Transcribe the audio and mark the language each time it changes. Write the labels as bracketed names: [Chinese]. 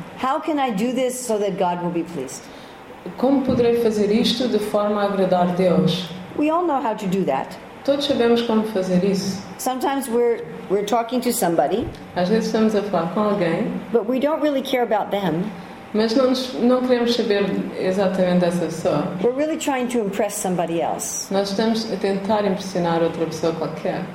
[English] How can I do this so that God will be pleased? [Portuguese] Como poderei fazer isto de forma a agradar Deus? [English] We all know how to do that. [Portuguese] Todos sabemos como fazer isso. [English] Sometimes we're talking to somebody. [Portuguese] Às vezes estamos a falar com alguém. [English] But we don't really care about them. [Portuguese] Mas não queremos saber exatamente dessa pessoa. [English] We're really trying to impress somebody else. [Portuguese] Nós estamos a tentar impressionar outra pessoa qualquer.